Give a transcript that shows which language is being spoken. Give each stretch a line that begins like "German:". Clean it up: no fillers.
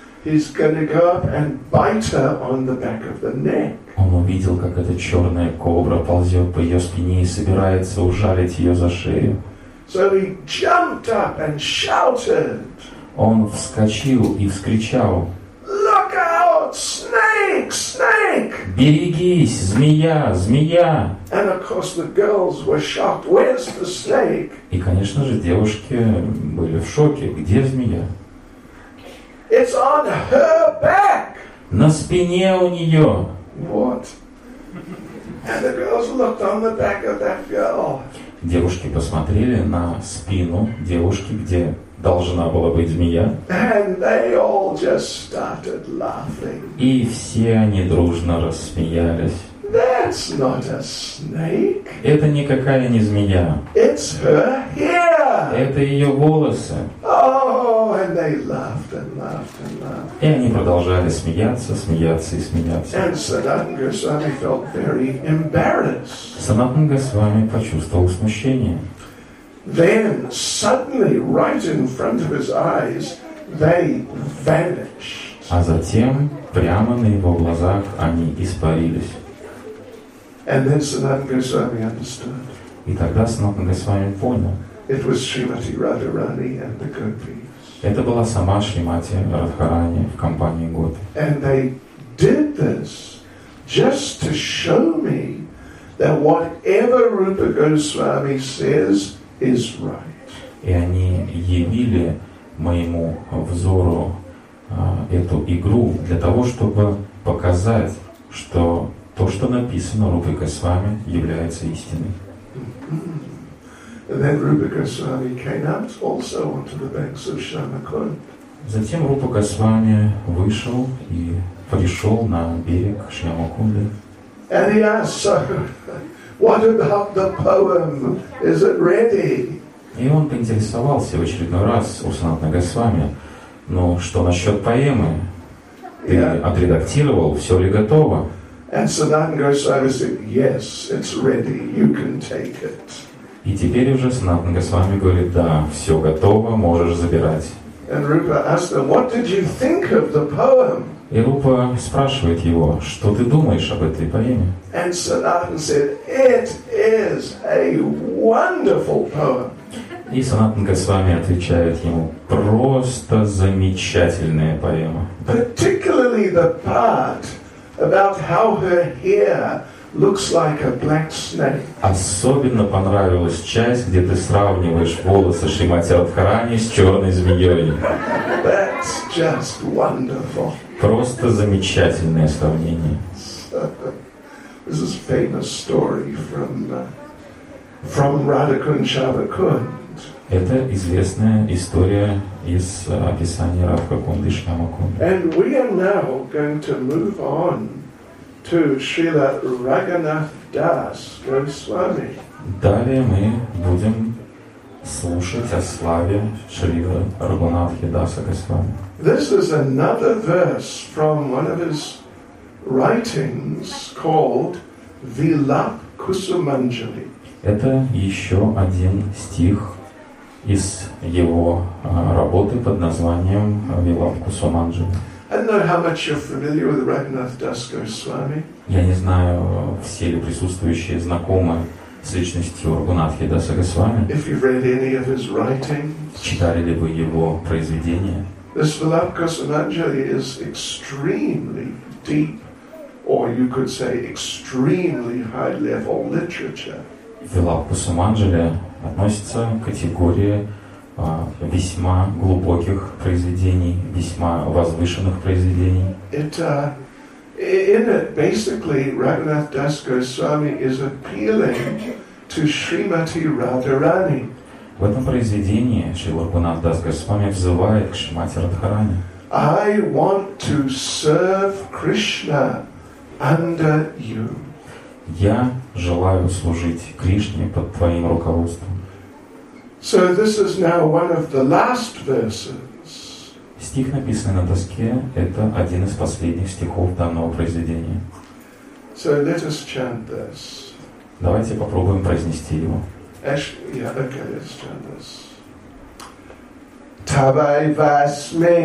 English: He's gonna go up and bite her on the back of the neck.
Russian: Он увидел, как эта черная кобра ползет по ее спине и собирается ужалить ее за шею.
English: So he jumped up and shouted.
Russian: Он вскочил и вскричал.
English: Look out, snake, snake!
Russian: Берегись, змея, змея!
English: And of course the girls were shocked. Where's the snake?
Russian: И, конечно же, девушки были в шоке. Где змея?
English: It's on her back.
Russian: На спине у нее.
English: What? And the girls looked on the back of that girl.
Russian: Девушки посмотрели на спину девушки, где должна была быть змея.
English: And they all just started laughing.
Russian: И все они дружно рассмеялись.
English: That's not a snake.
Russian: Это никакая не змея.
English: It's her hair.
Russian: Это ее волосы.
English: And they laughed and laughed and laughed.
Russian: И они продолжали смеяться, смеяться и смеяться.
English: And Sanat Goswami felt very embarrassed.
Russian: Санат Нагасвами почувствовал смущение.
English: Then suddenly, right in front of his eyes, they vanished.
Russian: А затем прямо на его глазах они испарились.
English: And then Sanat Goswami understood.
Russian: И тогда Санат Нагасвами понял.
English: It was Srimati Radharani and the Gopi.
Russian: Это была сама Шримати Радхарани в компании Гопи.
English: And they did this just to show me that whatever Rupa Goswami says is right.
Russian: И они явили моему взору эту игру для того, чтобы показать, что то, что написано Рупой Госвами, является истиной.
English: And then Rupa Goswami came out also onto the banks of Shyamakund.
Russian: Затем Рупа Госвами вышел и пришел на берег Шьямакунды.
English: And he asked, so, what about the poem? Is it ready?
Russian: И он поинтересовался в очередной раз у Санат Нагасвами, ну что насчет поэмы? Ты отредактировал, все ли готово?
English: And Sanat Goswami said, yes, it's ready, you can take it.
Russian: И теперь уже Санат Нагасвами говорит, да, все готово, можешь забирать.
English: And Rupa asked them, what did you think of the poem?
Russian: И Рупа спрашивает его, что ты думаешь об этой поэме?
English: And Sanat said, it is a wonderful poem.
Russian: И Санат Нагасвами отвечает ему, просто замечательная поэма.
English: Particularly the part about how her hair looks like a black snake.
Russian: Особенно понравилась часть, где ты сравниваешь волосы Шримати Радхарани с черной змеей.
English: That's just wonderful.
Russian: Просто замечательное сравнение.
English: This is a famous story from Radhakund Shavakund.
Russian: Это известная история из описания Рав Коконды Шьямакунды.
English: And we are now going to move on to Srila Raghunath Das Goswami.
Russian: Далее мы будем слушать о славе Шрила Рагунатхи Даса Госвами.
English: This is another verse from one of his writings called Vilap Kusumanjali.
Russian: Это еще один стих из его работы под названием Vilap Kusumanjali.
English: I don't know how much you're familiar with Raghunath Das Goswami.
Russian: Я не знаю, все ли присутствующие знакомы с личностью Рагунатхи Даса Госвами.
English: If you've read any of his writings.
Russian: Читали ли вы его произведения?
English: This Vilap Kusumanjali is extremely deep. Or you could say extremely high-level literature.
Russian: Vilap Kusumanjali относится к категории весьма глубоких произведений, весьма возвышенных произведений.
English: In it, basically, Raghunath Das Goswami is appealing to Srimati Radharani.
Russian: В этом произведении Шрила Рагунатх Дас Госвами взывает к Шримати Радхарани.
English: I want to serve Krishna. Under you.
Russian: Я желаю служить Кришне под твоим руководством.
English: So this is now one of the last verses.
Russian: Стих, написанный на доске, это один из последних стихов данного произведения.
English: So let us chant this.
Russian: Давайте попробуем произнести его.
English: Actually, yeah, okay, let's chant this.
Sanskrit: Tavai vasme,